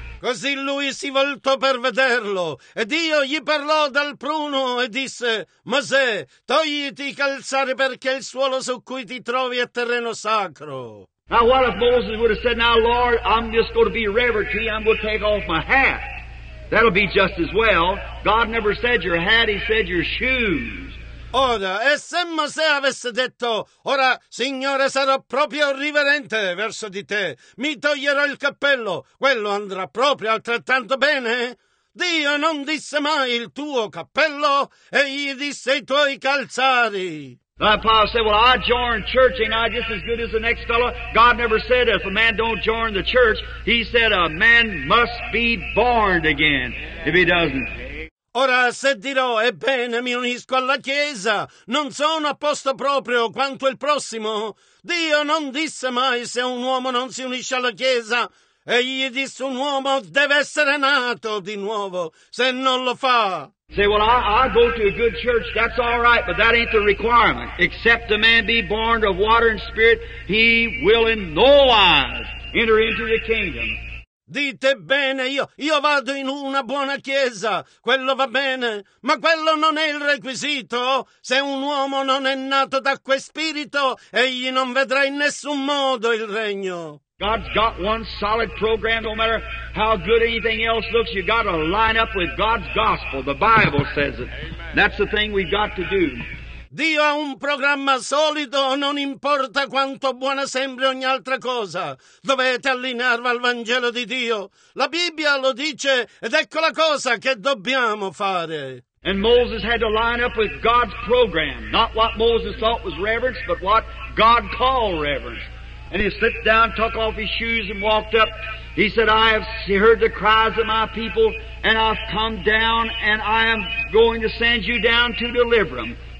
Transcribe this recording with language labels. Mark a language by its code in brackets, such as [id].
[it] Così lui si voltò per vederlo, e Dio gli parlò dal pruno e disse, Mosè, togliti i calzari perché il suolo su cui ti trovi è terreno sacro. [en] Now what if Moses would have said, now Lord, I'm just going to be reverent to you, I'm going to take off my hat. That'll be just as well. God never said your hat, he said your shoes. [it] Ora, e se Mosè avesse detto, ora, Signore, sarò proprio riverente verso di te, mi toglierò il cappello, quello andrà proprio altrettanto bene? Dio non disse mai il tuo cappello, e gli disse i tuoi calzari. [en] My father said, well, I join church, ain't I just as good as the next fellow? God never said if a man don't join the church, he said a man must be born again, if he doesn't. [it] Ora se dirò, ebbene, mi unisco alla Chiesa, non sono a posto proprio quanto il prossimo. Dio non disse mai se un uomo non si unisce alla Chiesa. Egli disse un uomo deve essere nato di nuovo, se non lo fa. [en] Say, well, I go to a good church, that's all right, but that ain't the requirement. Except a man be born of water and spirit, he will in no wise enter into the kingdom. [it] Dite bene, io vado in una buona chiesa, quello va bene, ma quello non è il requisito. Se un uomo non è nato da questo spirito, egli non vedrà in nessun modo il regno. [en] God's got one solid program, no matter how good anything else looks, you got to line up with God's gospel, the Bible says it. That's the thing we've got to do. [it] Dio ha un programma solido, non importa quanto buona sembri ogni altra cosa. Dovete allinearvi al Vangelo di Dio. La Bibbia lo dice ed ecco la cosa che dobbiamo fare. [en] And Moses had to line up with God's program. Not what Moses thought was reverence, but what God called reverence. And he slipped down, took off his shoes and walked up. He said, I have heard the cries of my people, and I've come down, and I am going to send you down to deliver them.